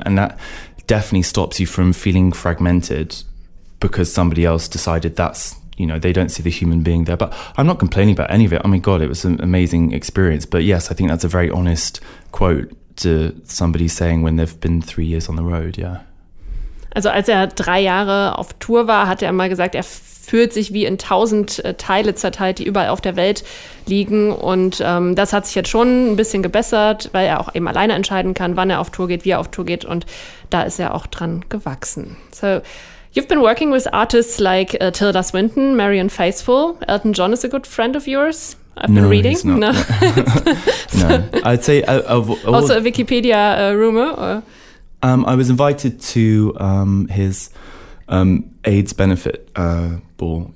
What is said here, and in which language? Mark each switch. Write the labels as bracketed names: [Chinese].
[English] And that definitely stops you from feeling fragmented because somebody else decided that's, you know, they don't see the human being there. But I'm not complaining about any of it. I mean, God, it was an amazing experience. But yes, I think that's a very honest quote to somebody saying when they've been 3 years on the road, yeah. [German] Also als er 3 Jahre auf Tour war, hat er mal gesagt, er fühlt sich wie in 1000 Teile zerteilt, die überall auf der Welt liegen. Und das hat sich jetzt schon ein bisschen gebessert, weil er auch eben alleine entscheiden kann, wann er auf Tour geht, wie er auf Tour geht. Und da ist er auch dran gewachsen. [English] So, you've been working with artists like Tilda Swinton, Marianne Faithfull. Elton John is a good friend of yours. I've been reading. He's not. No. No. I'd say also a Wikipedia rumor. Or? I was invited to his AIDS benefit ball.